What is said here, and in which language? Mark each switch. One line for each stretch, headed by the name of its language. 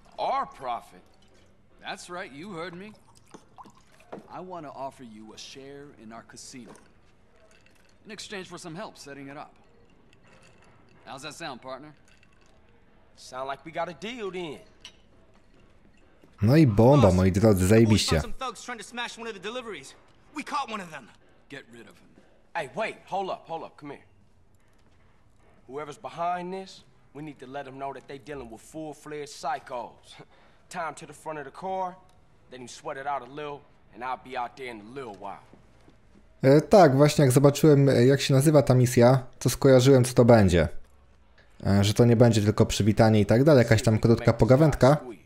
English: Our profit? That's right, you heard me. I want to offer you a share in our casino. In exchange for some help setting it up. How's that sound, partner? Sound like we got a deal then.
Polish: No i bomba, moi drodzy, zajebiście.
English: Some thugs trying to smash one of the deliveries. We caught one of them. Get rid of him. Hey, wait, hold up, come here. Whoever's behind this, we need to let them know that they're dealing with full-fledged psychos. Tie them to the front of the car, then you sweat it out a little, and I'll be out there in a little while.
Polish: Tak, właśnie jak zobaczyłem, jak się nazywa ta misja, to skojarzyłem, co to będzie. Że to nie będzie tylko przywitanie i tak dalej, jakaś tam krótka pogawędka.